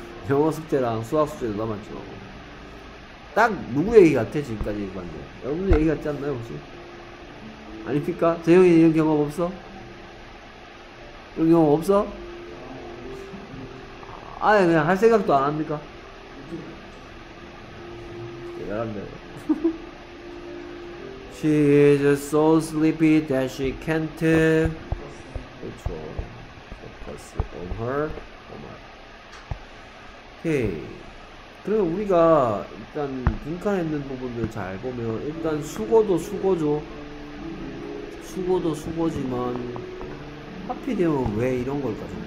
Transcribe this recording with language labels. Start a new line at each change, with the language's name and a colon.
Korean: 영어 숙제랑 수학 숙제도 남았죠. 딱 누구 얘기 같아 지금까지 봤는데? 여러분 얘기 같지 않나요 혹시? 아닙니까? 재영이 이런 경험 없어? 이런 경험 없어? 아예 그냥 할 생각도 안 합니까? 대단한데.
English: She is so sleepy that she can't focus on her. Okay.
Korean: 그러면 우리가 일단 분간했는 부분들 잘 보면 일단 수고도 수고죠. 수고도 수고지만 하필이면 왜 이런 걸까?